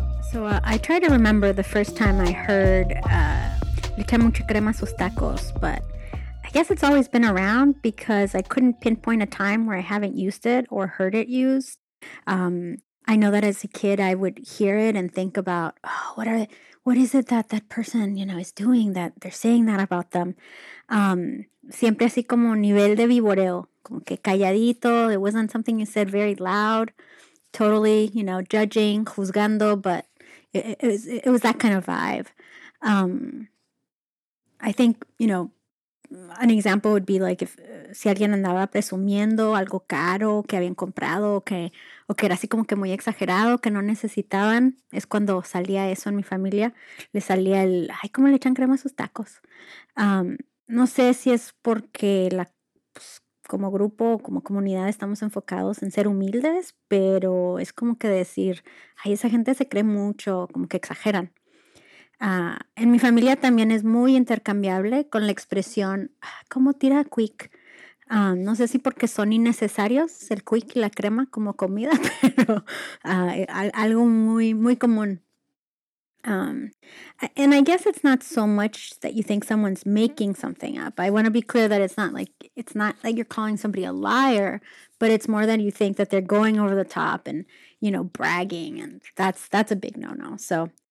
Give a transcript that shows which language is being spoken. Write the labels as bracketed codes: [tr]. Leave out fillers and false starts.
[en] So I try to remember the first time I heard [es] le echa mucha crema a sus tacos, [en] but I guess it's always been around because I couldn't pinpoint a time where I haven't used it or heard it used. I know that as a kid, I would hear it and think about, oh, what is it that person, you know, is doing that they're saying that about them? [es] Siempre así como nivel de viboreo, como que calladito. [en] It wasn't something you said very loud, totally, you know, judging, [es] juzgando, [en] but it was that kind of vibe. I think, you know, an example would be like if [es] si alguien andaba presumiendo algo caro que habían comprado o que era así como que muy exagerado, que no necesitaban, es cuando salía eso en mi familia, le salía el, ay, ¿cómo le echan crema a sus tacos? No sé si es porque como grupo, como comunidad, estamos enfocados en ser humildes, pero es como que decir, ay, esa gente se cree mucho, como que exageran. En mi familia también es muy intercambiable con la expresión, ¿cómo tira quick? No sé si porque son innecesarios el quick y la crema como comida, pero algo muy, muy común. [en] And I guess it's not so much that you think someone's making something up. I want to be clear that it's not like you're calling somebody a liar, but it's more that you think that they're going over the top and, you know, bragging, and that's a big no-no. So